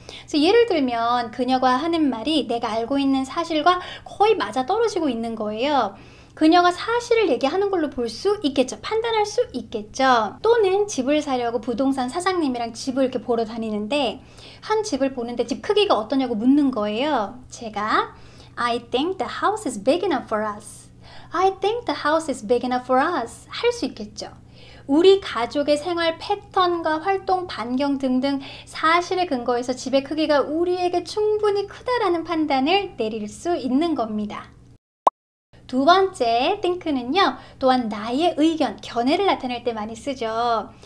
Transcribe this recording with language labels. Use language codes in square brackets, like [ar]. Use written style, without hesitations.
[ko] 그래서 예를 들면 그녀가 하는 말이 내가 알고 있는 사실과 거의 맞아떨어지고 있는 거예요. 그녀가 사실을 얘기하는 걸로 볼수 있겠죠. 판단할 수 있겠죠. 또는 집을 사려고 부동산 사장님이랑 집을 이렇게 보러 다니는데, 한 집을 보는데 집 크기가 어떠냐고 묻는 거예요. 제가 [en] I think the house is big enough for us. I think the house is big enough for us. [ko] 할수 있겠죠. 우리 가족의 생활 패턴과 활동 반경 등등 사실에 근거해서 집의 크기가 우리에게 충분히 크다라는 판단을 내릴 수 있는 겁니다. 두 번째 think는요, 또한 나의 의견, 견해를 나타낼 때 많이 쓰죠.